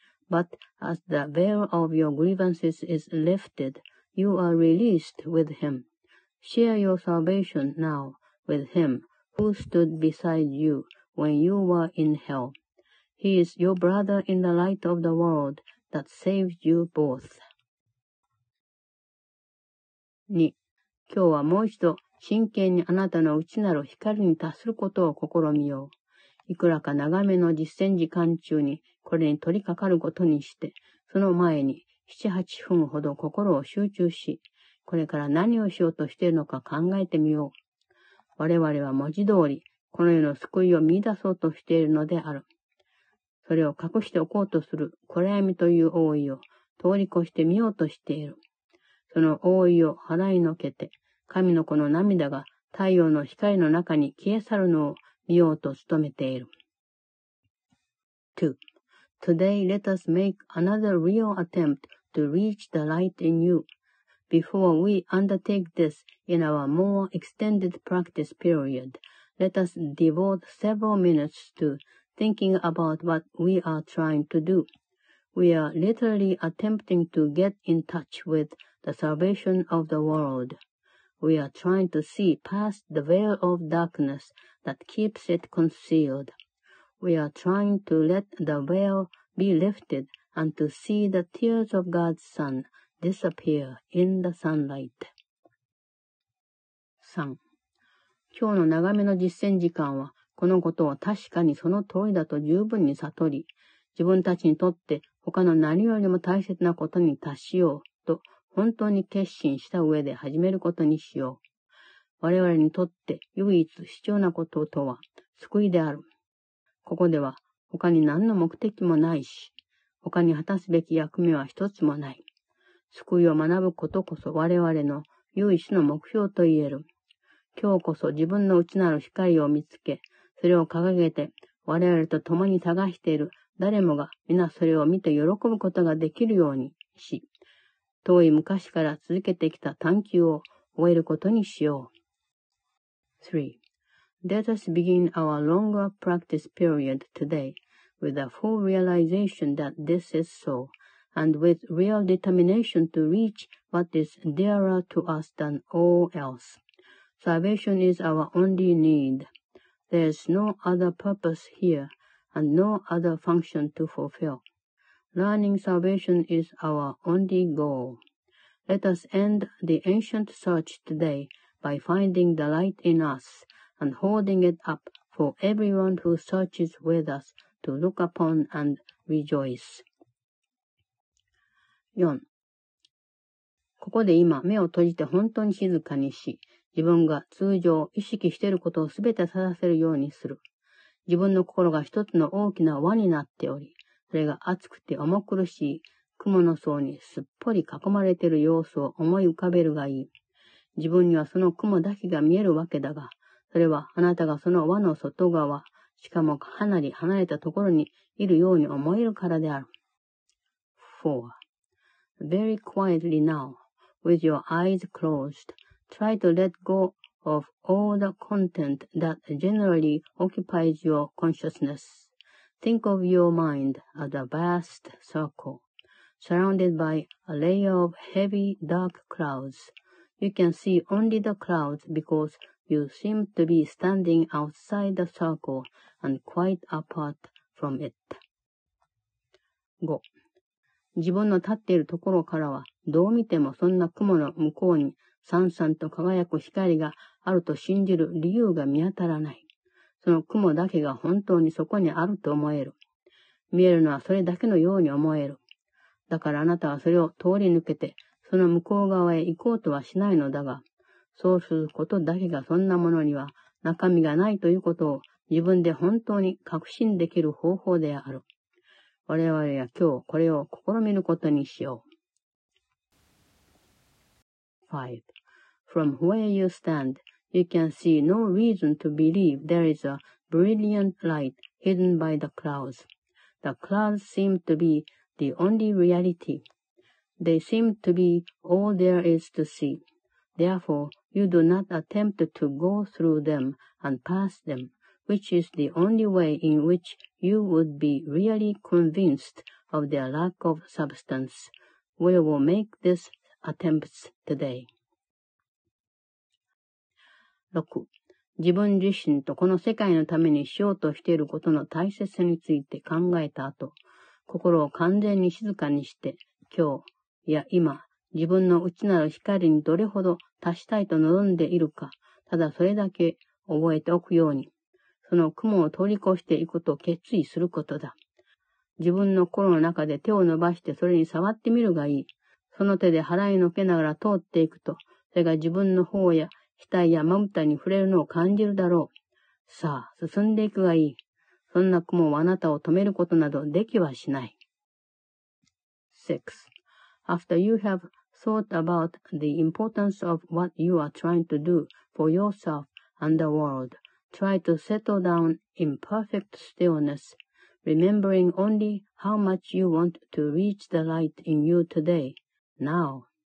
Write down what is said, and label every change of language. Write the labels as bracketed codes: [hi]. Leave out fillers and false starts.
[en] But as the veil of your grievances is lifted, you are released with him. Share your salvation now with him who stood beside you when you were in hell. He is your brother in the light of the world that saved you both. [ja] 2. 今日はもう一度真剣にあなたの内なる光に達することを試みよう。いくらか長めの実践時間中にこれに取り掛かることにして、その前に7、8分ほど心を集中し、これから何をしようとしているのか考えてみよう。我々は文字通り、この世の救いを見出そうとしているのである。それを隠しておこうとする暗闇という覆いを通り越してみようとしている。その覆いを払いのけて、神の子の涙が太陽の光の中に消え去るのを見ようと努めている。 [en] 2. Today let us make another real attempt to reach the light in you. Before we undertake this in our more extended practice period, let us devote several minutes to thinking about what we are trying to do. We are literally attempting to get in touch with the salvation of the world. We are trying to see past the veil of darkness that keeps it concealed. We are trying to let the veil be lifted and to see the tears of God's Son disappear in the sunlight. [ja] 3. 今日の長めの実践時間はこのことを確かにその通りだと十分に悟り、自分たちにとって他の何よりも大切なことに達しようと本当に決心した上で始めることにしよう。我々にとって唯一必要なこととは救いである。ここでは他に何の目的もないし、他に果たすべき役目は一つもない。救いを学ぶことこそ我々の唯一の目標と言える。今日こそ自分の内なる光を見つけ、それを掲げて我々と共に探している誰もが皆それを見て喜ぶことができるようにし、遠い昔から続けてきた探求を終えることにしよう。 [en] 3. Let us begin our longer practice period today with a full realization that this is so, and with real determination to reach what is dearer to us than all else. Salvation is our only need. There is no other purpose here. And no other function to fulfill. Learning salvation is our only goal. Let us end the ancient search today by finding the light in us and holding it up for everyone who searches with us to look upon and rejoice. [ja] 4. ここで今目を閉じて本当に静かにし、自分が通常意識していることをすべて正せるようにする。自分の心が一つの大きな輪になっており、それが熱くて重苦しい雲の層にすっぽり囲まれている様子を思い浮かべるがいい。自分にはその雲だけが見えるわけだが、それはあなたがその輪の外側、しかもかなり離れたところにいるように思えるからである。 [en] 4. Very quietly now, with your eyes closed, try to let go of all the content that generally occupies your consciousness. Think of your mind as a vast circle, surrounded by a layer of heavy dark clouds. You can see only the clouds because you seem to be standing outside the circle and quite apart from it. [ja] 5. 自分の立っているところからはどう見てもそんな雲の向こうにさんさんと輝く光があると信じる理由が見当たらない。その雲だけが本当にそこにあると思える。見えるのはそれだけのように思える。だからあなたはそれを通り抜けて、その向こう側へ行こうとはしないのだが、そうすることだけがそんなものには中身がないということを自分で本当に確信できる方法である。我々は今日これを試みることにしよう。 [en] 5. From where you stand, you can see no reason to believe there is a brilliant light hidden by the clouds. The clouds seem to be the only reality. They seem to be all there is to see. Therefore, you do not attempt to go through them and pass them, which is the only way in which you would be really convinced of their lack of substance. We will make this attempts today. [ja] 6. 自分自身とこの世界のためにしようとしていることの大切さについて考えた後、心を完全に静かにして、今日、いや今、自分の内なる光にどれほど達したいと望んでいるか、ただそれだけ覚えておくように、その雲を通り越していくと決意することだ。自分の心の中で手を伸ばしてそれに触ってみるがいい。その手で払いのけながら通っていくと、それが自分の頬や額やまぶたに触れるのを感じるだろう。さあ、進んでいくがいい。そんな雲はあなたを止めることなどできはしない。 [en] 6. After you have thought about the importance of what you are trying to do for yourself and the world, try to settle down in perfect stillness, remembering only how much you want to reach the light in you today, now.